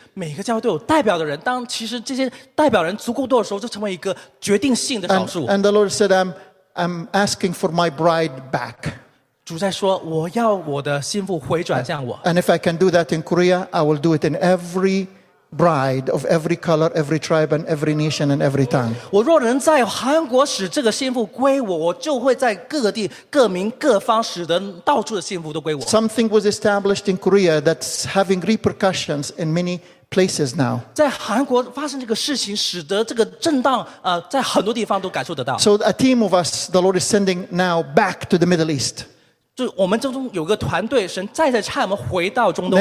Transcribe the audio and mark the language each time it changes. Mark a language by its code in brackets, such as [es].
[zh] 当我说是所有地方，我意思是每个教会都有代表的人。当其实这些代表人足够多的时候，就成为一个决定性的少数。 [en] And the Lord said, I'm asking for my bride back. [zh] 主在说, [en] and if I can do that in Korea, I will do it in every bride of every color, every tribe, and every nation, and every tongue. [zh] 我若能在韩国使这个心腹归我，我就会在各个地、各民、各方使得到处的心腹都归我。 [en] Something was established in Korea that's having repercussions in many places now. [zh] 在韩国发生这个事情，使得这个震荡，在很多地方都感受得到。 [en] So a team of us, the Lord is sending now back to the Middle East. [zh] 就我们中有个团队神再次差我们回到中东